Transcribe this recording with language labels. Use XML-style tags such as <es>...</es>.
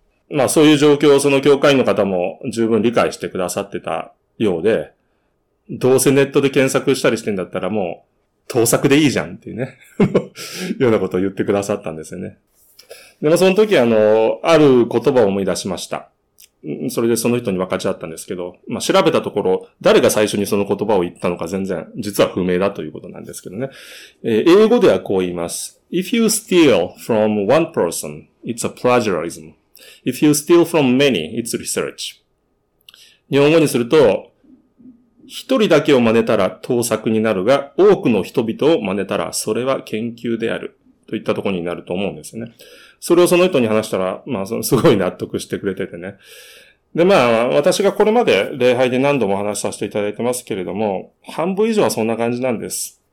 <ja>まあそういう状況をその教会員の方も十分理解してくださってたようで、どうせネットで検索したりしてんだったらもう、盗作でいいじゃんっていうね、ようなことを言ってくださったんですよね。でもその時ある言葉を思い出しました。それでその人に分かち合ったんですけど、まあ調べたところ、誰が最初にその言葉を言ったのか全然、実は不明だということなんですけどね。英語ではこう言います。</ja> <en>If you steal from one person, it's a plagiarism. If you steal from many, it's research.</en> <ja>日本語にすると、一人だけを真似たら盗作になるが、多くの人々を真似たらそれは研究である。といったところになると思うんですよね。それをその人に話したら、まあ、すごい納得してくれててね。で、まあ、私がこれまで礼拝で何度も話させていただいてますけれども、半分以上はそんな感じなんです。</ja>